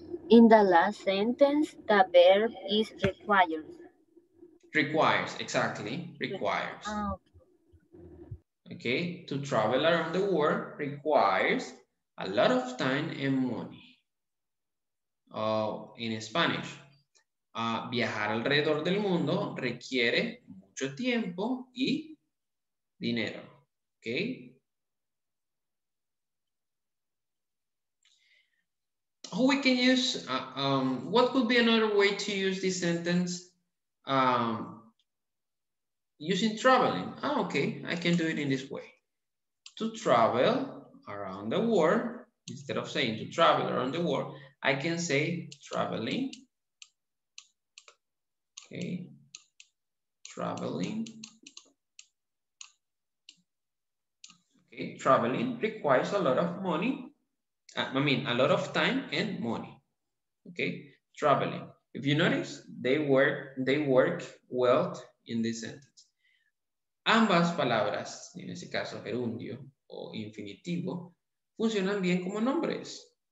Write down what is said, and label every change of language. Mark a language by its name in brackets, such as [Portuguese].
[English] In the last sentence, the verb is requires. Requires, exactly, requires. Oh. Okay, to travel around the world requires a lot of time and money. In Spanish, [Spanish] viajar alrededor del mundo requiere mucho tiempo y dinero. [English] Okay. How we can use, what could be another way to use this sentence? Using traveling, okay, I can do it in this way. To travel around the world, instead of saying to travel around the world, I can say traveling, okay, traveling. Okay, traveling requires a lot of money, a lot of time and money, okay? Traveling, if you notice, they work well in this sentence. [Spanish] Ambas palabras, en ese caso gerundio o infinitivo, funcionan bien como nombres.